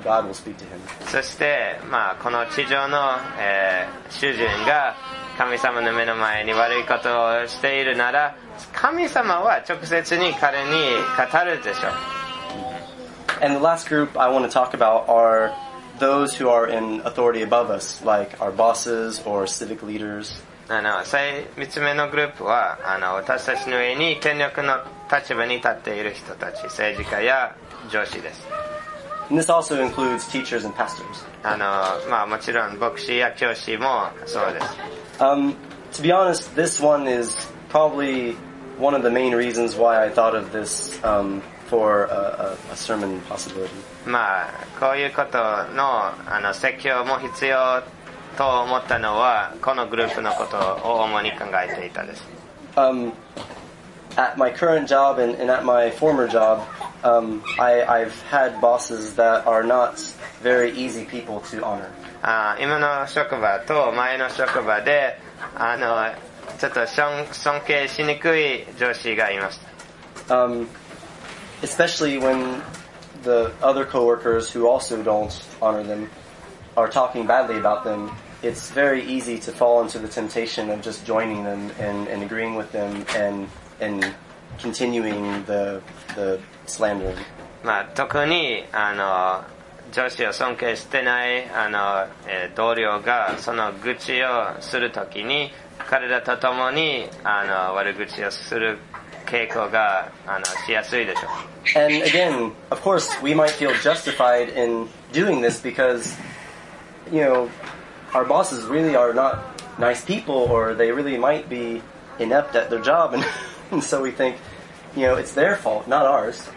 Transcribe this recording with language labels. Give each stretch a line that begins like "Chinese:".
English: God will speak to him.
Japanese: そして、まあ、この地上の、主人が神様の目の前に悪いことをしているなら、神様は直接に彼に語るでしょう。
English: And the last group I want to talk about are those who are in authority above us, like our bosses or civic leaders.
Japanese: 三つ目のグループは私たちの上に権力の立場に立っている人たち、政治家や上司です。
English: And this also includes teachers and pastors.
Japanese: まあもちろん牧師や教師もそうです。
English: To be honest, this one is probably one of the main reasons why I thought of this, for a sermon possibility.
Japanese: まあこういうことの説教も必要と思ったのはこのグループのことを主に考えていたです。
English: At my current job and at my former job, I've had bosses that are not very easy people to honor.
Japanese: 今の職場と前の職場でちょっと尊敬しにくい上司がいました。
English: Especially when the other coworkers who also don't honor them are talking badly about them. It's very easy to fall into the temptation of just joining them and agreeing with them and continuing the slandering.
Japanese: まあ、特に上司を尊敬してない同僚がその愚痴をするときに彼らとともに悪口をする傾向がしやすいでしょう。
English: And again, of course, we might feel justified in doing this because, you know,Our bosses really are not nice people, or they really might be inept at their job, and so we think, you know, it's their fault, not ours.